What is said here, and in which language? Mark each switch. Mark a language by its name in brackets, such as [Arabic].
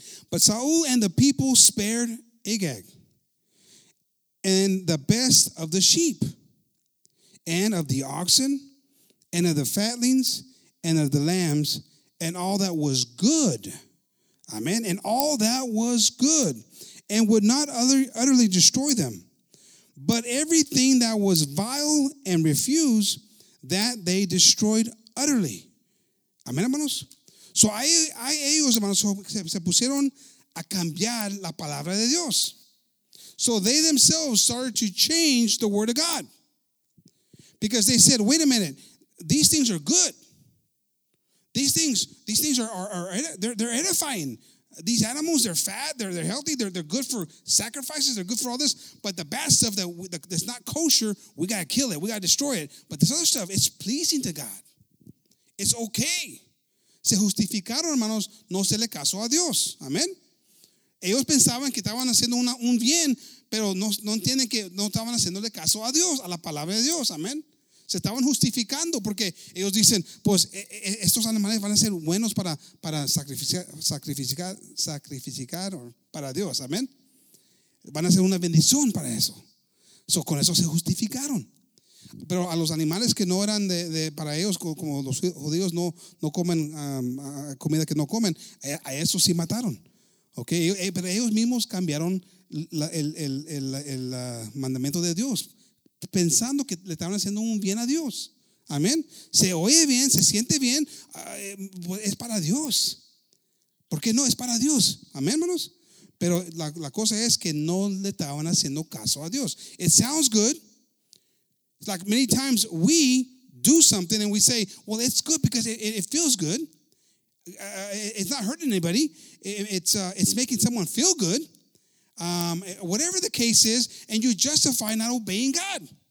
[English] But Saul and the people spared Agag, and the best of the sheep, and of the oxen, and of the fatlings, and of the lambs, and all that was good. Amen. And all that was good. And would not utterly destroy them, but everything that was vile and refuse, that they destroyed utterly. [Spanish] Amén, hermanos. So ahí ellos, hermanos, se pusieron a cambiar la palabra de Dios. [English] So they themselves started to change the word of God, because they said, "Wait a minute, these things are good. These things are edifying." These animals, they're fat, they're healthy, they're good for sacrifices, they're good for all this. But the bad stuff that's not kosher, we got to kill it, we got to destroy it. But this other stuff, it's pleasing to God. It's okay. [Spanish] Se justificaron, hermanos, no se le casó a Dios. Amén. Ellos pensaban que estaban haciendo un bien, pero no entienden que no estaban haciéndole caso a Dios, a la palabra de Dios. Amén. Se estaban justificando porque ellos dicen, pues estos animales van a ser buenos para sacrificar para Dios, amén. Van a ser una bendición para eso. So, con eso se justificaron. Pero a los animales que no eran de para ellos, como los judíos no comen comida que no comen, a esos sí mataron. Okay, pero ellos mismos cambiaron el mandamiento de Dios, pensando que le estaban haciendo un bien a Dios. Amén. Se oye bien, se siente bien. Es para Dios. ¿Por qué no? Es para Dios. Amén, hermanos. Pero la cosa es que no le estaban haciendo caso a Dios. [English] It sounds good. Like many times we do something and we say, well, it's good because it feels good. It's not hurting anybody. It's making someone feel good. Whatever the case is, and you justify not obeying God.